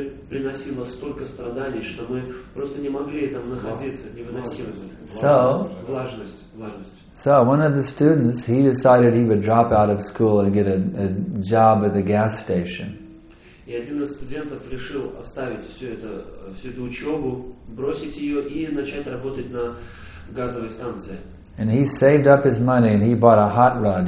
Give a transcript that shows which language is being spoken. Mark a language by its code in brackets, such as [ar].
[ru] Приносило столько страданий, что мы просто не могли там находиться, невыносимость. [en] So, [ru] влажность. [en] So one of the students, he decided he would drop out of school and get a job at the gas station. [ru] И один из студентов решил оставить всю эту учебу, бросить ее и начать работать на газовой станции. [en] And he saved up his money and he bought a hot rod.